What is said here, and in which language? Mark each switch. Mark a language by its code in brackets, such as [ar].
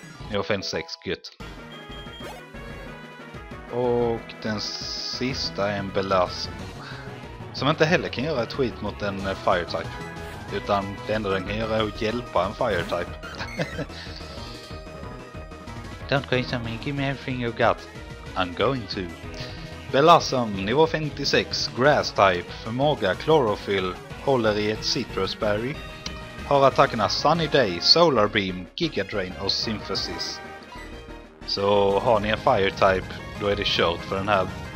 [sv] Nivå 56, gött. Och den sista är en belastning. Som inte heller kan göra ett skit mot en Fire-type. Utan det enda den kan göra är att hjälpa en Fire-type. [en] Don't go into me, give me everything you got. I'm going to. [sv] Belassum, nivå 56, grass type, förmåga chlorophyll, håller i ett citrusberry. Har attackerna Sunny Day, Solar Beam, Giga Drain och Symphysis. Så har ni en fire type, då är det kört för den här.